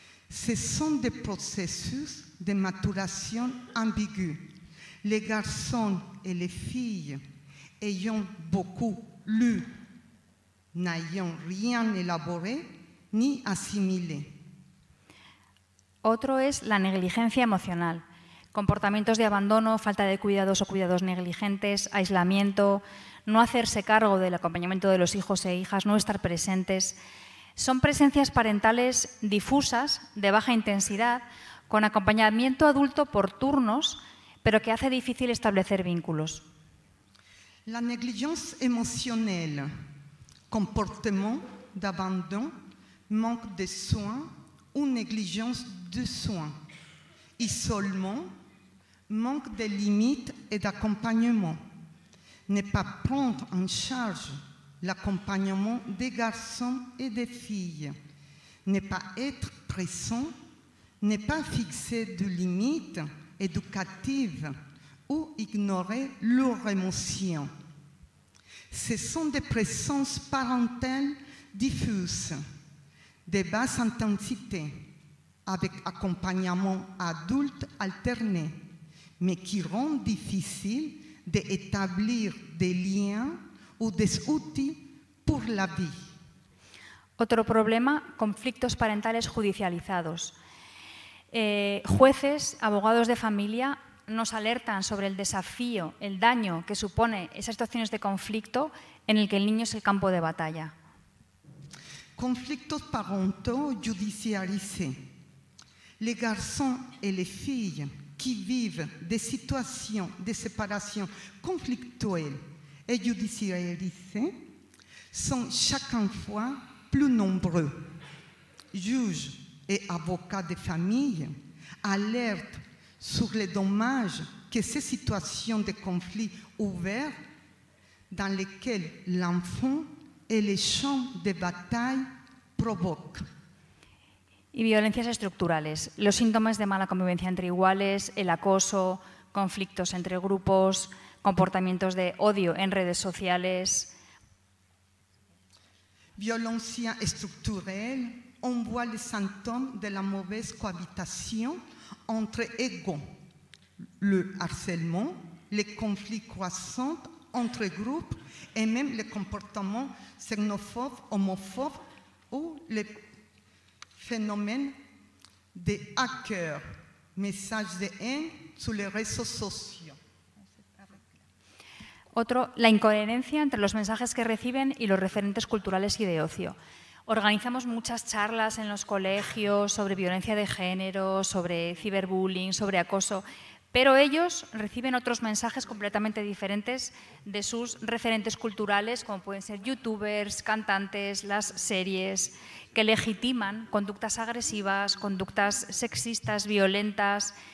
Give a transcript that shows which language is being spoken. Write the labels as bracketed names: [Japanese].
[French] Ce sont des processus de maturation ambiguë. Les garçons et les filles, ayant beaucoup lu, n'ayant rien élaboré ni assimilé. [Spanish] Otro es la negligencia emocional. Comportamientos de abandono, falta de cuidados o cuidados negligentes, aislamiento, no hacerse cargo del acompañamiento de los hijos e hijas, no estar presentes. Son presencias parentales difusas, de baja intensidad, con acompañamiento adulto por turnos, pero que hace difícil establecer vínculos. La negligencia emocional, [French] comportement d'abandon, manque de soins, ou négligence de soins, isolement, manque de limites et d'accompagnement, ne pas prendre en charge l'accompagnement des garçons et des filles, ne pas être présent, ne pas fixer de limites éducatives ou ignorer leur émotion. Ce sont des présences parentales diffuses, de basse intensité, avec accompagnement adulte alterné, mais qui rend difficile d'établir des liens ou des outils pour la vie. [Spanish] Otro problema, conflictos parentales judicializados. Jueces, abogados de familia nos alertan sobre el desafío, el daño que supone esas situaciones de conflicto en el que el niño es el campo de batalla. Conflictos [French] parentaux judiciarisés. Les garçons et les filles qui vivent des situations de séparation conflictuelles et judiciarisés sont chaque fois plus nombreux. Juges et avocats de famille alertent sur les dommages que ces situations de conflit ouverts dans lesquelles l'enfant et les champs de bataille provoquent. [Spanish] Y violencias estructurales, los síntomas de mala convivencia entre iguales, el acoso, conflictos entre grupos, comportamientos de odio en redes sociales. Violencia estructural, [French] on voit les symptômes de la mauvaise cohabitation entre égaux. Le harcèlement, les conflits croissants entre groupes et même les comportements xénophobes, homophobes ou les phénomène des hackers, messages de haine sur les réseaux sociaux. [Spanish] Otro, la incoherencia entre los mensajes que reciben y los referentes culturales y de ocio. Organizamos muchas charlas en los colegios sobre violencia de género, sobre ciberbullying, sobre acoso, pero ellos reciben otros mensajes completamente diferentes de sus referentes culturales, como pueden ser youtubers, cantantes, las series, que legitiman conductas agresivas, conductas sexistas, violentas.